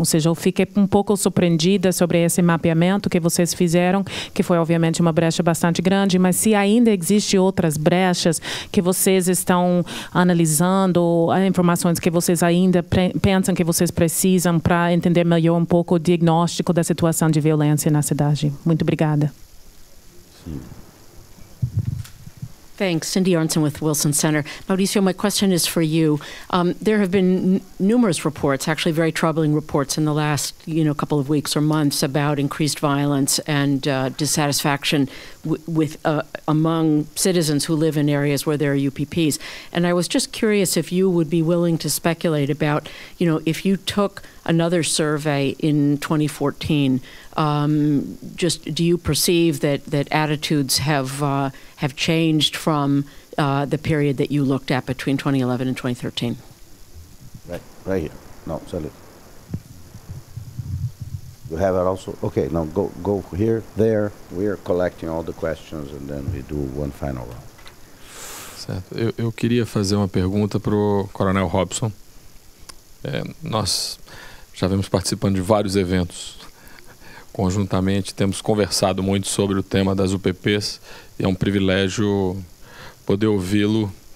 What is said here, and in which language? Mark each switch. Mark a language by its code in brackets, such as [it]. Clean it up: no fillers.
[pt] Ou seja, eu fiquei um pouco surpreendida sobre esse mapeamento que vocês fizeram, que foi obviamente uma brecha bastante grande, mas se ainda existem outras brechas que vocês estão analisando, informações que vocês ainda pensam que vocês precisam para entender melhor um pouco o diagnóstico da situação de violência na cidade. Muito obrigada. Sim. [en] Thanks. Cindy Arnson with Wilson Center. Mauricio, my question is for you. There have been numerous reports, actually very troubling reports in the last, couple of weeks or months about increased violence and dissatisfaction among citizens who live in areas where there are UPPs. And I was just curious if you would be willing to speculate about, if you took another survey in 2014, just do you perceive that attitudes have changed from the period that you looked at between 2011 and 2013? Right here. No, sorry. You have it also? Okay, now go here, there. We are collecting all the questions and then we do one final round. [pt] Certo. Eu queria fazer uma pergunta para o Coronel Robson. Nós já vimos participando de vários eventos conjuntamente, temos conversado muito sobre o tema das UPPs e é um privilégio poder ouvi-lo.